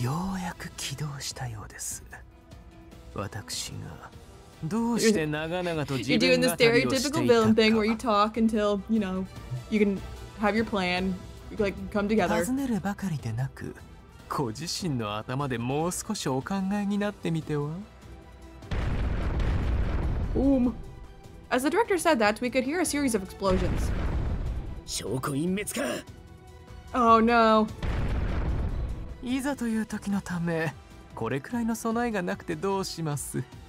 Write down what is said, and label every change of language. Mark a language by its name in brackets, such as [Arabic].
[Japanese] ようやく起動したようです。私がどうして長々と自分が旅をしていたか。 [English] You're doing the stereotypical villain thing where you talk until, you know, you can have your plan, like, come together. [Japanese] 尋ねるばかりでなく、ご自身の頭でもう少しお考えになってみては？ [English] Boom. As the director said that, we could hear a series of explosions. [Japanese] 証拠隠滅か? [English] Oh no. [Japanese] いざという時のため、これくらいの備えがなくてどうします?